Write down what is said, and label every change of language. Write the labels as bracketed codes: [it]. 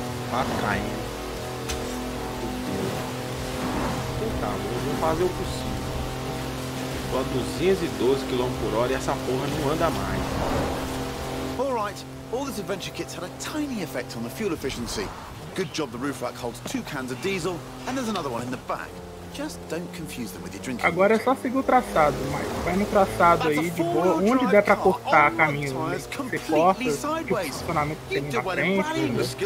[pt] Quatro caindo. Meu Deus. Tá, vamos fazer o possível. Tô a 212 km/h e essa porra não anda mais. [en] All right. All this adventure kits had a tiny effect on the fuel efficiency. Good job the roof rack holds 2 cans of diesel and there's another one in the back. Just don't confuse them with your drinking. [pt] Agora é só seguir o traçado, mas vai no traçado aí de boa, onde der pra cortar caminho, né? Você corta, que o funcionamento tem na frente, né?